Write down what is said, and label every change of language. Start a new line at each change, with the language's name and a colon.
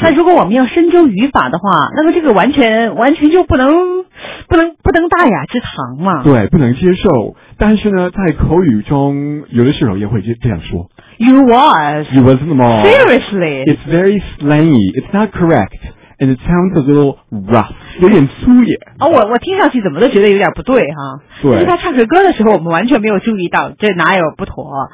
Chinese: 那如果我们要深究语法的话，那么这个完全就不能大雅之堂嘛。对，不能接受。但是呢，在口语中，有的时候也会这样说。
English: You was at the mall. Seriously, it's very slangy. It's not correct, and it sounds a little rough.
Chinese: 有点粗野、哦、我听上去怎么都觉得有点不对哈、啊。对，他唱着歌的时候我们完全没有注意到，这哪有不妥。